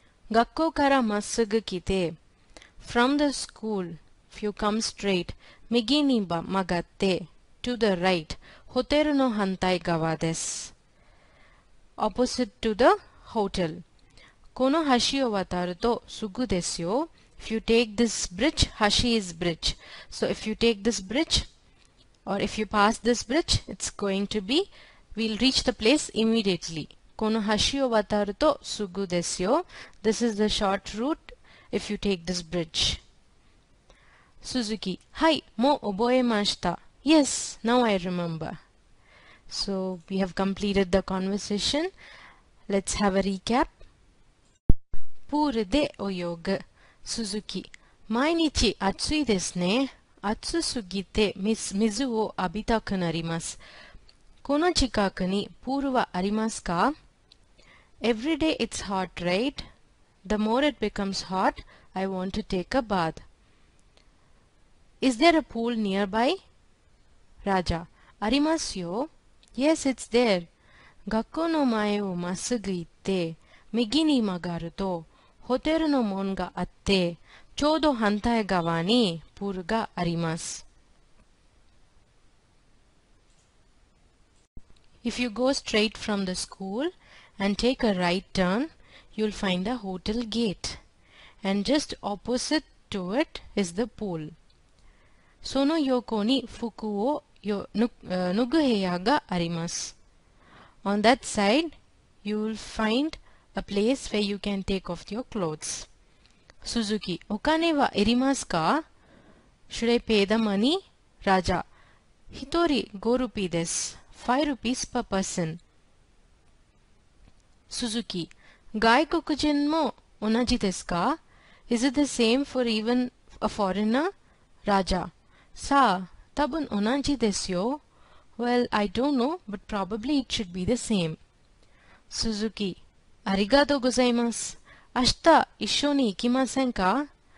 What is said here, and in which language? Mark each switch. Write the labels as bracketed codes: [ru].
[ja] 学校からまっすぐ来て、 [en] From the school, if you come straight, [ja] 右に曲がって、 [en] To the right, [ja] ホテルの反対側です。 [en] Opposite to the hotel. [ja] この橋を渡るとすぐですよ。 [en] If you take this bridge, 橋 is bridge. So if you take this bridge, or if you pass this bridge, it's going to beWe'll reach the place immediately. [ja] この橋を渡るとすぐですよ。 [en] This is the short route if you take this bridge. Suzuki, [ja] はい、もう覚えました。 [en] Yes, now I remember. So, we have completed the conversation. Let's have a recap. [ja] プールで泳ぐ。Suzuki, 毎日暑いですね。暑すぎて水を浴びたくなります。この近くにプールはありますか? [en] Every day it's hot, right? The more it becomes hot, I want to take a bath. Is there a pool nearby? Raja, [ja] ありますよ。 [en] Yes, it's there. [ja] 学校の前をまっすぐ行って、右に曲がると、ホテルの門があって、ちょうど反対側にプールがあります。 [en] If you go straight from the school and take a right turn, you'll find a hotel gate. And just opposite to it is the pool. [ja] その横に服を脱ぐ部屋があります。 [en] On that side, you'll find a place where you can take off your clothes. Suzuki, [ja] お金はいりますか? [en] Should I pay the money? Raja, [ja] 一人5ルピーです。 [en] 5 rupees per person. [ja] Suzuki, 外国人も同じですか? [en] Is it the same for even a foreigner? [ja] Raja, さあ、多分同じですよ。 [en] Well, I don't know, but probably it should be the same. [ja] Suzuki, ありがとうございます。明日一緒に行きませんか?